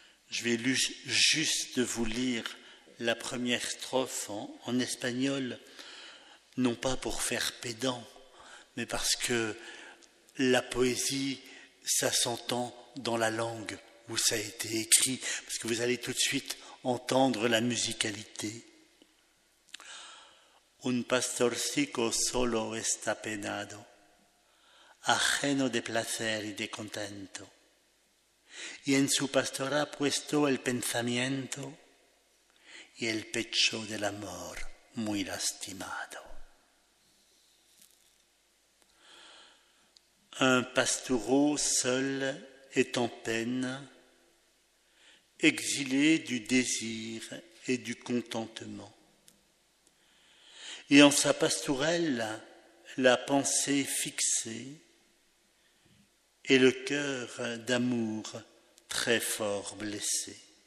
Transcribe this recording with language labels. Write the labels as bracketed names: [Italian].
[French] Je vais juste vous lire la première strophe en espagnol, non pas pour faire pédant, mais parce que la poésie, ça s'entend dans la langue où ça a été écrit, parce que vous allez tout de suite entendre la musicalité. [Spanish] Un pastorcico solo está penado, ajeno de placer y de contento, y en su pastora puesto el pensamiento y el pecho del amor muy lastimado. [French] Un pastoureau seul est en peine, exilé du désir et du contentement. Et en sa pastourelle, la pensée fixée et le cœur d'amour très fort blessé.